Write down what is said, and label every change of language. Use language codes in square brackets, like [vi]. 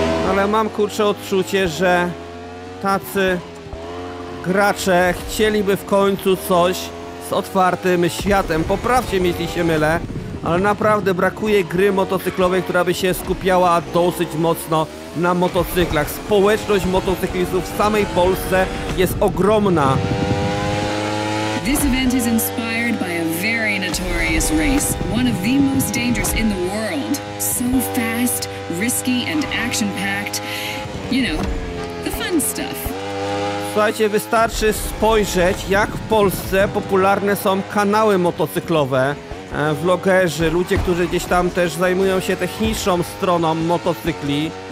[pl] Ale mam kurczę odczucie, że tacy gracze chcieliby w końcu coś z otwartym światem. Poprawcie mnie, jeśli się mylę, ale naprawdę brakuje gry motocyklowej, która by się skupiała dosyć mocno na motocyklach. Społeczność motocyklistów w samej Polsce jest ogromna. [en] This event is inspired by a very notorious race, one of the most dangerous in the world. So fast, risky and action-packed. You know, the fun stuff. [pl] Słuchajcie, wystarczy spojrzeć, jak w Polsce popularne są kanały motocyklowe, vlogerzy, ludzie, którzy gdzieś tam też zajmują się techniczną stroną motocykli.